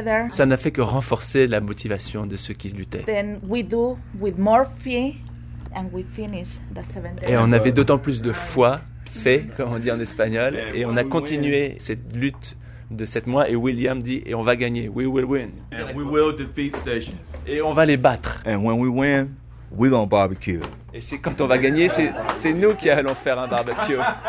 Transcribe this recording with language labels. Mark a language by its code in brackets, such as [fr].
[fr] Ça n'a fait que renforcer la motivation de ceux qui luttaient. [en] Then we do with more faith and we finish the 7 days. [fr] Et on avait d'autant plus de foi, fait, comme on dit en espagnol, et on a continué cette lutte de 7 mois. Et William dit, et on va gagner. [en] We will win. And we will defeat stations. [fr] Et on va les battre. [en] And when we win, we gonna barbecue. [fr] Et c'est quand on va gagner, c'est nous qui allons faire un barbecue.